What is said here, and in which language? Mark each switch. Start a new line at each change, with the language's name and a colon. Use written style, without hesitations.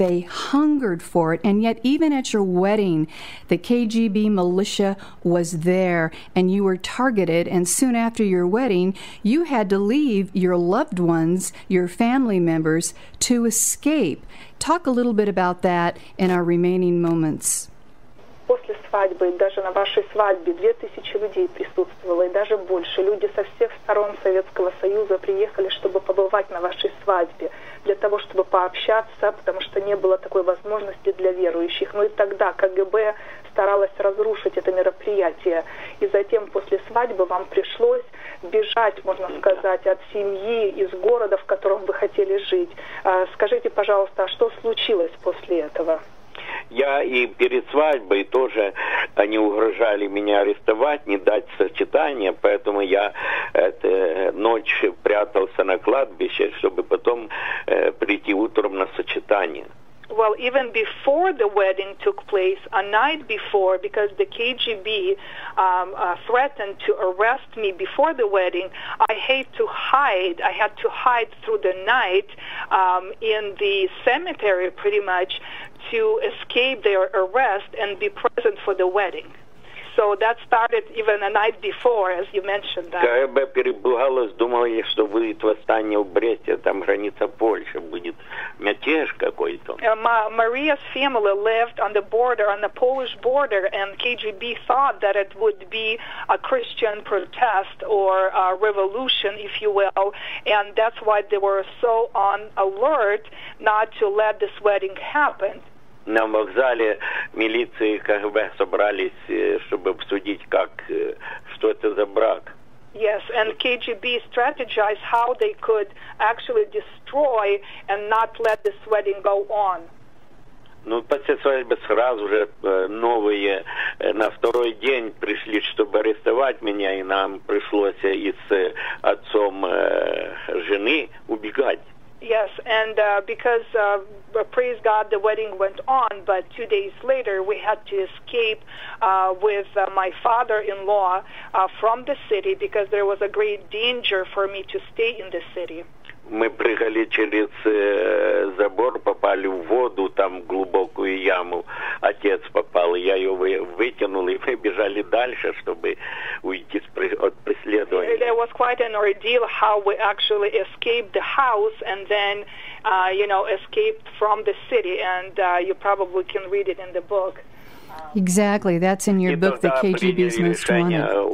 English: They hungered for it, and yet even at your wedding, the KGB militia was there, and you were targeted, and soon after your wedding, you had to leave your loved ones, your family members, to escape. Talk a little bit about that in our remaining moments.
Russian: После свадьбы, даже на вашей свадьбе, 2000 людей присутствовало, и даже больше. Люди со всех сторон Советского Союза приехали, чтобы побывать на вашей свадьбе, для того, чтобы пообщаться, потому что не было такой возможности для верующих. Ну и тогда КГБ старалась разрушить это мероприятие. И затем после свадьбы вам пришлось бежать, можно сказать, от семьи, из города, в котором вы хотели жить. Скажите, пожалуйста, а что случилось после этого? Я и перед свадьбой тоже, они угрожали меня арестовать, не дать сочетания, поэтому я ночь прятался на кладбище, чтобы потом прийти утром на сочетание.
English: Well, even before the wedding took place, a night before, because the KGB threatened to arrest me before the wedding, I had to hide through the night in the cemetery, pretty much, to escape their arrest and be present for the wedding. So that started even a night before, as you mentioned that.
Russian: КГБ перепугалось, думали, что будет восстание в Бресте, там граница Польши, будет мятеж какой-то.
English: Maria's family lived on the border, on the Polish border, and KGB thought that it would be a Christian protest or a revolution, if you will, and that's why they were so on alert not to let this wedding happen.
Russian: На вокзале милиции КГБ собрались, чтобы обсудить, как, что это за брак.
English: Yes, and KGB strategized how they could actually destroy and not let this wedding go on.
Russian: Ну, после свадьбы сразу же новые на второй день пришли, чтобы арестовать меня, и нам пришлось и с отцом жены убегать.
English: Yes, and because, praise God, the wedding went on, but 2 days later we had to escape with my father-in-law from the city because there was a great danger for me to stay in the city.
Russian: Мы прыгали через забор, попали в воду, там глубокую яму отец попал, я ее вытянул, и мы бежали дальше, чтобы уйти от преследования.
English: There was quite an ordeal how we actually escaped the house and then, you know, escaped from the city, and you probably can read it in the book. Exactly, that's in your book, The KGB's Most Wanted.